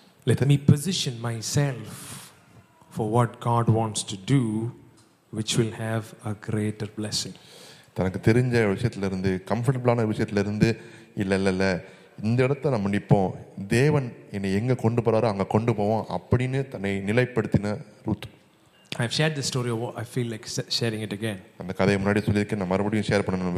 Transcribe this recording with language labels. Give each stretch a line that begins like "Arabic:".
English: Let me position myself for what God wants to do, which will have a greater blessing.
Tamil: தனக்கு தெரிஞ்ச விஷயத்துல இருந்து, கம்ஃபர்டபிளான விஷயத்துல இருந்து, இல்ல இந்த இடத்த நம்ம நிப்போம், தேவன் என்னை எங்க கொண்டு போறாரோ அங்க கொண்டு போவோம் அப்படின்னு தன்னை நிலைப்படுத்தின Ruth.
English: I've shared the story, I feel like sharing it again.
Tamil: அந்த கதையை முன்னாடி சொல்லியிருக்கேன், நான் மறுபடியும் ஷேர் பண்ணணும்